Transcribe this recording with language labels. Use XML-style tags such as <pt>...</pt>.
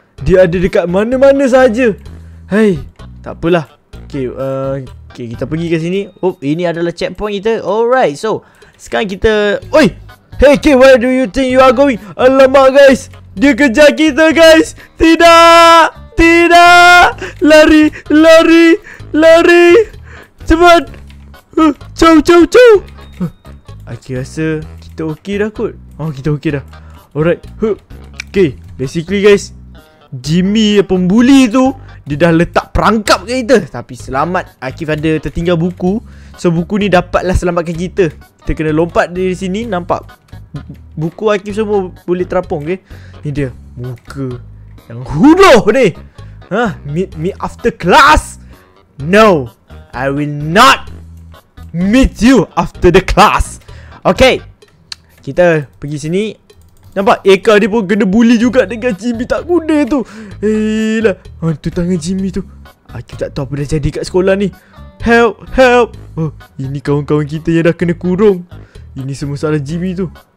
<ms>Dia ada dekat mana-mana saja. Hey, tak apalah. Okay, okay, kita pergi ke sini. Oh, ini adalah checkpoint kita. Alright, so sekarang kita...</ms> <en>Oi, hey kid, where do you think you are going?</en> <ms>Alamak guys, dia kejar kita guys. Tidak, tidak. Lari, lari, lari. Cepat. Chow, chow, chow. Aku rasa kita okey dah kot. Oh, kita okey dah. Alright. Okay, basically guys, Jimmy pembuli tu, dia dah letak perangkap kat kita. Tapi selamat, Akif ada tertinggal buku. So buku ni dapatlah selamatkan kita. Kita kena lompat dari sini. Nampak buku Akif semua boleh terapung ke? Okay? Ni dia muka yang hodoh ni.</ms> <en>Huh? Meet me after class? No, I will not meet you after the class.</en> <ms>Okay, kita pergi sini. Nampak Eka dia pun kena bully juga dengan Jimmy tak guna tu. Heelah, hantu tangan Jimmy tu. Aku tak tahu apa dah jadi kat sekolah ni.</ms> <en>Help, help.</en> <ms>Oh, ini kawan-kawan kita yang dah kena kurung. Ini semua salah Jimmy tu.</ms>